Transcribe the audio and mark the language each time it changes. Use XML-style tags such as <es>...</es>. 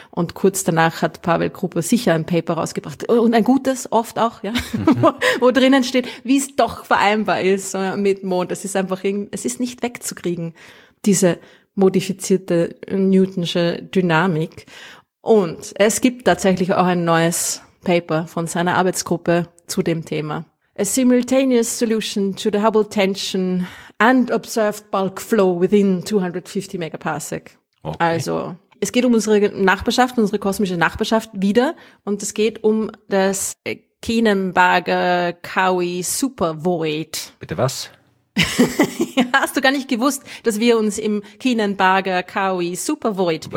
<de>Und kurz danach hat Pavel Krupa sicher ein Paper rausgebracht. Und ein gutes, oft auch, ja, wo drinnen steht, wie es doch vereinbar ist mit Mond. Es ist einfach es ist nicht wegzukriegen, diese modifizierte Newtonsche Dynamik. Und es gibt tatsächlich auch ein neues Paper von seiner Arbeitsgruppe zu dem Thema.</de> <en>A simultaneous solution to the Hubble tension and observed bulk flow within 250 megaparsec.</en> <de>Okay. Also, es geht um unsere Nachbarschaft, unsere kosmische Nachbarschaft wieder. Und es geht um das Keenan-Barger-Cowie-Supervoid. Bitte was? Hast du gar nicht gewusst, dass wir uns im Keenan-Barger-Cowie-Supervoid befinden?</de>